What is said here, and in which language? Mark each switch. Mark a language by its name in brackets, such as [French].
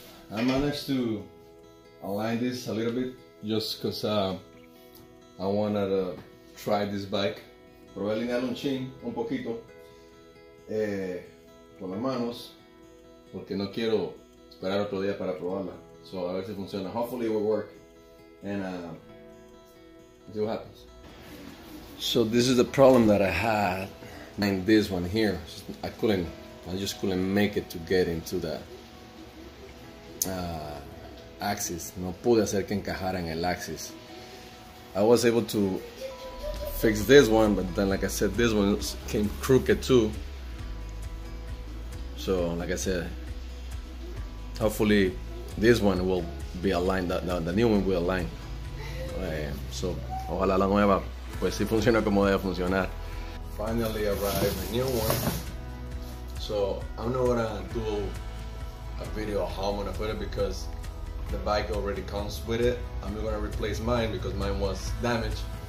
[English] I managed to align this a little bit just because I wanted to try this bike. [Spanish] Probé alinear un chin, un poquito, con las manos, porque no quiero esperar otro día para probarla. [English] So, [Spanish] a ver si funciona. [English] Hopefully it will work. And let's see what happens. So, this is the problem that I had in this one here. I just couldn't make it to get into the axis. [Spanish] No pude hacer que encajara en el axis. [English] I was able to fix this one, but then, like I said, this one came crooked too. So, like I said, hopefully this one will be aligned. The new one will align. [Spanish] So, ojalá la nueva, pues si funciona como debe funcionar. [English] Finally arrived a new one. So, I'm not gonna do a video of how I'm gonna put it because the bike already comes with it. I'm gonna replace mine because mine was damaged.